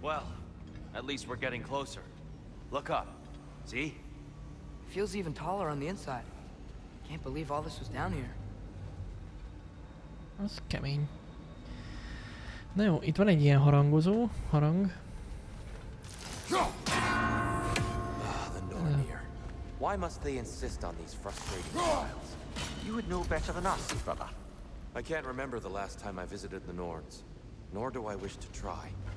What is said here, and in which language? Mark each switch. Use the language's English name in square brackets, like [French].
[English] Well, at least we're getting closer. Look up. See? It feels even taller on the inside. Can't believe all this was down here. [Hungarian] Az kemény. Na jó, itt van egy ilyen harangozó, harang. [English] Why must they insist on these frustrating trials? You would know better than us, brother. I can't remember the last time I visited the Norns, nor do I wish to try.